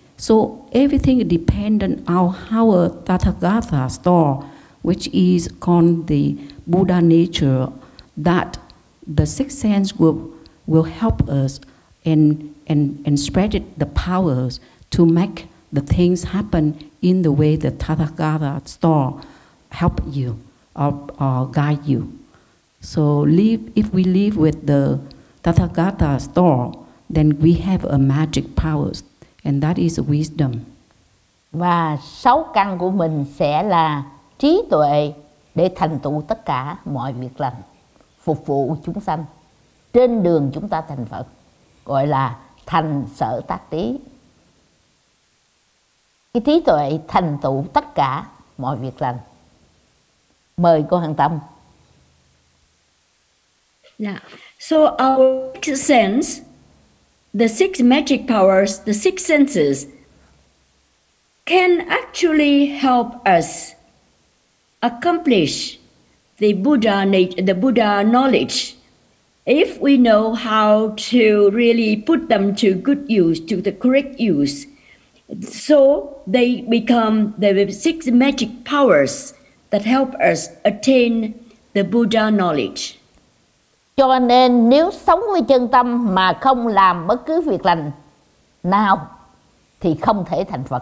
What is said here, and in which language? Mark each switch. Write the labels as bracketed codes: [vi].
[en] So everything depends on our Tathagata store, which is called the Buddha nature, that the six sense will help us and spread it, the powers to make the things happen in the way the Tathagata store help you or guide you. So if we live with the Tathagata store, then we have a magic powers, and that is wisdom. [vi] Và sáu căn của mình sẽ là trí tuệ để thành tựu tất cả mọi việc lành, phục vụ chúng sanh trên đường chúng ta thành Phật, gọi là thành sở tác trí. Cái trí tuệ thành tựu tất cả mọi việc lành. Mời cô Hằng Tâm. Yeah. [en] So our sixth sense, the six magic powers, the six senses, can actually help us accomplish the Buddha knowledge if we know how to really put them to good use, to the correct use. So they become the six magic powers that help us attain the Buddha knowledge. [vi] Cho nên nếu sống với chân tâm mà không làm bất cứ việc lành nào thì không thể thành Phật.